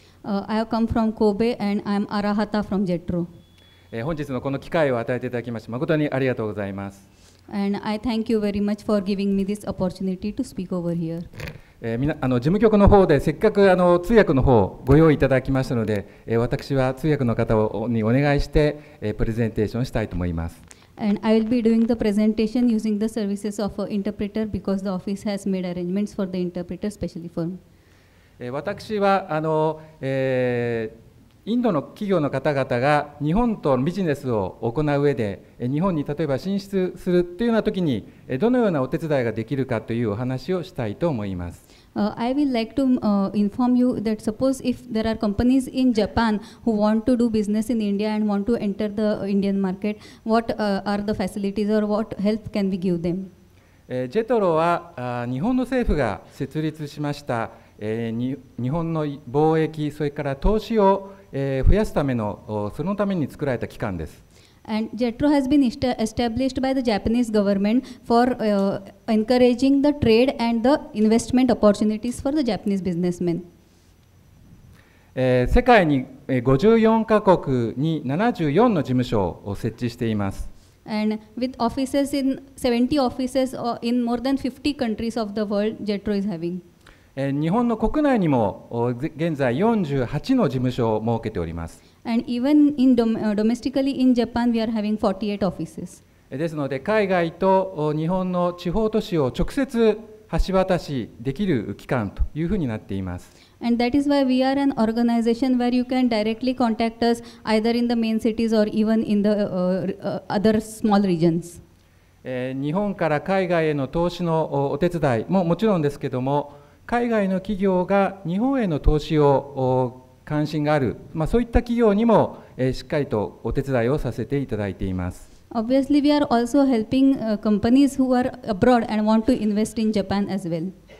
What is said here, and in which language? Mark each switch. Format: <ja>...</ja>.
<en>I come from Kobe and I'm Arahata from JETRO.</en> <ja>本日のこの機会を与えていただきまして、誠にありがとうございます。</ja> <en>And I thank you very much for giving me this opportunity to speak over here.</en> <ja>事務局の方でせっかく通訳の方をご用意いただきましたので、私は通訳の方にお願いして、プレゼンテーションしたいと思います。</ja> <en>And I will be doing the presentation using the services of an interpreter because the office has made arrangements for the interpreter specially for me.</en> <ja>私はインドの企業の方々が日本とビジネスを行う上で、日本に例えば進出するというような時にどのようなお手伝いができるかというお話をしたいと思います。</ja> <en>I will like to inform you that suppose if there are companies in Japan who want to do business in India and want to enter the Indian market, what are the facilities or what help can we give them?</en> <ja>JETRO は日本の政府が設立しました、日本の貿易それから投資を増やすためのそのために作られた機関です。</ja> <en>And JETRO has been established by the Japanese government for encouraging the trade and the investment opportunities for the Japanese businessmen.</en> <ja>世界に54カ国に74の事務所を設置しています。</ja> <en>And with offices in 70 offices in more than 50 countries of the world, JETRO is having.</en> <ja>日本の国内にも現在48の事務所を設けております。</ja> <en>And even in domestically in Japan, we are having 48 offices.</en> <ja>ですので、海外と日本の地方都市を直接橋渡しできる機関というふうになっています。</ja> <en>And that is why we are an organization where you can directly contact us either in the main cities or even in the other small regions.</en> <ja>日本から海外への投資のお手伝いももちろんですけども、海外の企業が日本への投資を関心がある、まあ、そういった企業にも、しっかりとお手伝いをさせていただいています。</ja> <en>Obviously we are also helping companies who are abroad and want to invest in Japan as well.</en>